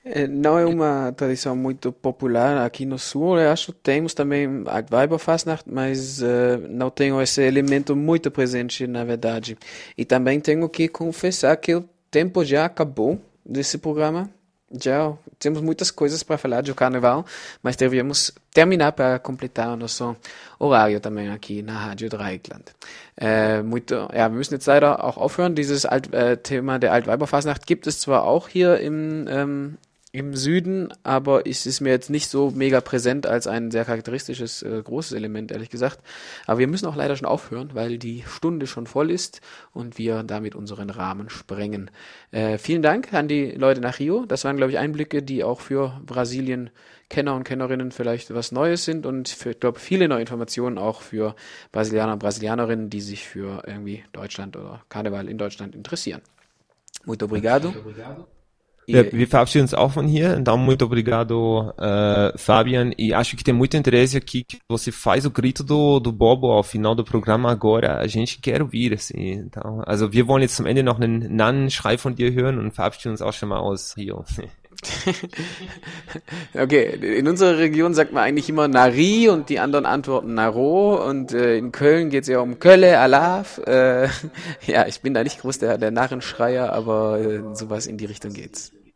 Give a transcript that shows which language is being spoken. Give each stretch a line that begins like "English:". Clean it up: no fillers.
Portuguese: Não é uma tradição muito popular aqui no sul, eu acho que temos também a Weiberfastnacht, mas não tenho esse elemento muito presente, na verdade. E também tenho que confessar que o tempo já acabou desse programa, já temos muitas coisas para falar de carnaval, mas devíamos terminar para completar o nosso horário também aqui na Rádio Dreieckland.
German: Wir müssen jetzt leider auch aufhören, dieses Thema der Altweiberfasnacht gibt es zwar auch hier im Süden, aber es ist mir jetzt nicht so mega präsent als ein sehr charakteristisches, großes Element, ehrlich gesagt. Aber wir müssen auch leider schon aufhören, weil die Stunde schon voll ist und wir damit unseren Rahmen sprengen. Vielen Dank an die Leute nach Rio. Das waren, glaube ich, Einblicke, die auch für Brasilien-Kenner und Kennerinnen vielleicht was Neues sind und für, glaube ich, viele neue Informationen auch für Brasilianer und Brasilianerinnen, die sich für irgendwie Deutschland oder Karneval in Deutschland interessieren.
Portuguese: Muito obrigado.
German: Ja, wir verabschieden uns auch von hier.
Portuguese: Então, muito obrigado, Fabian. E acho que tem muito interesse aqui que você faz o grito do Bobo ao final do programa agora. A gente quer ouvir, assim. Então,
German: also, wir wollen jetzt zum Ende noch einen Nannenschrei von dir hören und verabschieden uns auch schon mal aus Rio. Okay, in unserer Region sagt man eigentlich immer Nari und die anderen antworten Naro und in Köln geht es ja um Kölle, Alaf. Ja, ich bin da nicht groß der Narrenschreier, aber sowas in die Richtung geht's.